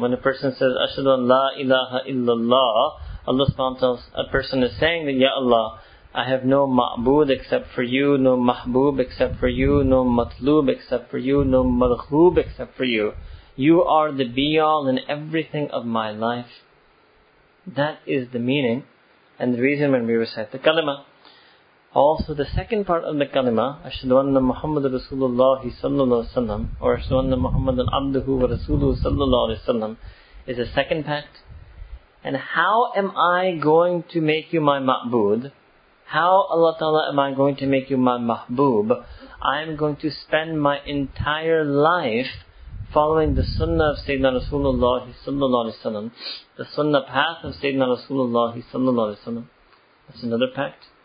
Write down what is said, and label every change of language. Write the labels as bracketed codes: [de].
[en] When a person says [ar] أَشْهَدُ أَنْ لَا إِلَهَ إِلَّا اللَّهِ, [en] Allah subhanahu wa ta'ala, a person is saying that, Ya Allah, I have no ma'bud except for you, no mahbub except for you, no matlub except for you, no malhub except for you. You are the be-all in everything of my life. That is the meaning and the reason when we recite the kalima. Also, the second part of the kalima, [ar] أَشْهَدُ أَنَّ مُحَمَّدًا رَسُولُ اللَّهِ صَلَّى اللَّهُ عَلَيْهِ وَسَلَّمَ [en] or [ar] أَشْهَدُ أَنَّ مُحَمَّدًا عَبْدُهُ وَرَسُولُهُ صَلَّى اللَّهُ عَلَيْهِ وَسَلَّمَ [en] is a second pact. And how am I going to make you my ma'bud? How, Allah Ta'ala, am I going to make you my mahbub? I am going to spend my entire life following the sunnah of Sayyidina Rasulullah [ar] صَلَّى اللَّهُ عَلَيْهِ وَسَلَّمَ, [en] the sunnah path of Sayyidina Rasulullah صَلَّى اللَّهُ عَلَيْهِ وَسَلَّمَ. That's another pact.